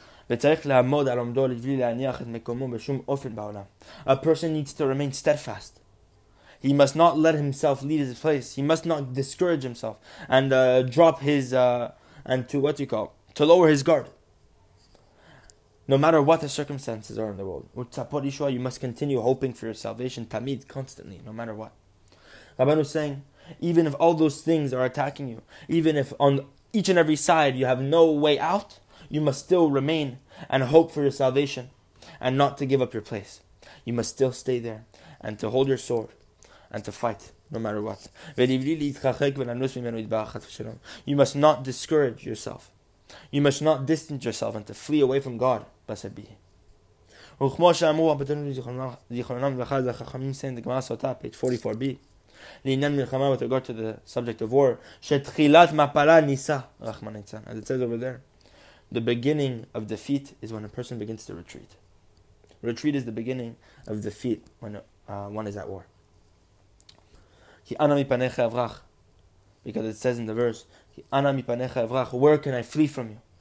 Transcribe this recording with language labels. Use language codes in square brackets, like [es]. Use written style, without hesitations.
[he] וצריך לעמוד על עומדו לבלי להניח את מקומו בשום אופן בעולם. [en] A person needs to remain steadfast. He must not let himself leave his place. He must not discourage himself and drop his, to lower his guard. No matter what the circumstances are in the world, you must continue hoping for your salvation, tamid, constantly, no matter what. Rabbeinu is saying, even if all those things are attacking you, even if on each and every side you have no way out, you must still remain and hope for your salvation and not to give up your place. You must still stay there and to hold your sword and to fight, no matter what. You must not discourage yourself. You must not distance yourself and to flee away from God. [he] וכמו שאמרו זיכרונם לברכה, זה החכמים [en] say in the Gemara Sota, page 44b, [he] לעניין מלחמה, [en] with regard to the subject of war, [he] שתחילת מפלה ניסה, רחמנא ליצלן. [en] As it says over there, the beginning of defeat is when a person begins to retreat. Retreat is the beginning of defeat when one is at war. [he] כי אנא מפניך אברח, [en] because it says in the verse, [he] אנא מפניך אברח, [en] where can I flee from you?